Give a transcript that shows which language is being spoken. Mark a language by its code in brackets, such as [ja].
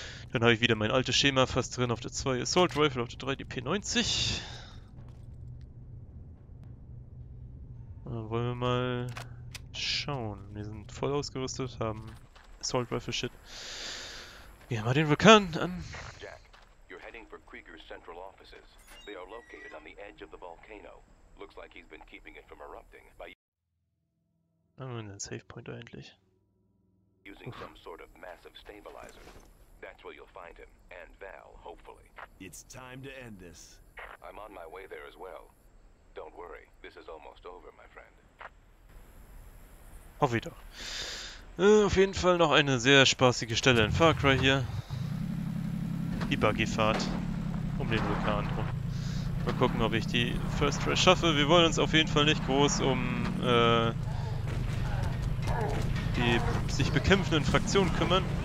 [de] Dann habe ich wieder mein altes Schema fast drin auf der 2 Assault Rifle, auf der 3 die P90. Dann wollen wir mal schauen. Wir sind voll ausgerüstet, haben Assault Rifle Shit. Gehen wir mal den Vulkan an. [en] Jack, you're heading for Krieger's central offices. They are located on the edge of the volcano. Looks like he's been keeping it from erupting by [de] Einen Save Point endlich. [en] Using some sort of massive stabilizer. That's where you'll find him, and Val, hopefully. It's time to end this. I'm on my way there as well. Don't worry, this is almost over, my friend. [de] Auf wieder. Auf jeden Fall noch eine sehr spaßige Stelle in Far Cry hier. Die Buggyfahrt um den Vulkan rum. Mal gucken, ob ich die First Try schaffe. Wir wollen uns auf jeden Fall nicht groß um die sich bekämpfenden Fraktionen kümmern.